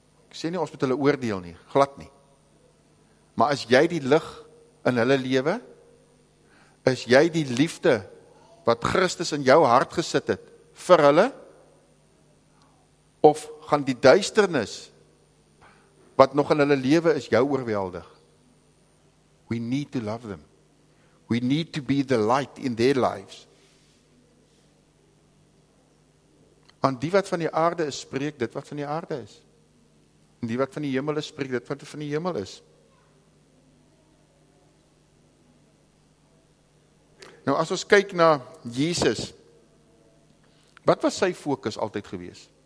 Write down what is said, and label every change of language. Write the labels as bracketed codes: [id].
[af] Ek sê nie ons moet hulle oordeel nie, glad nie. Maar as jy die lig in hulle lewe, is jy die liefde wat Christus in jou hart gesit het vir hulle, of gaan die duisternis, wat nog in hulle lewe is, jou oorweldig? [en] We need to love them. We need to be the light in their lives. [af] Want die wat van die aarde is, spreek dit wat van die aarde is. En die wat van die hemel is, spreek dit wat van die hemel is. Nou, as ons kyk na Jesus, wat was sy fokus altyd gewees?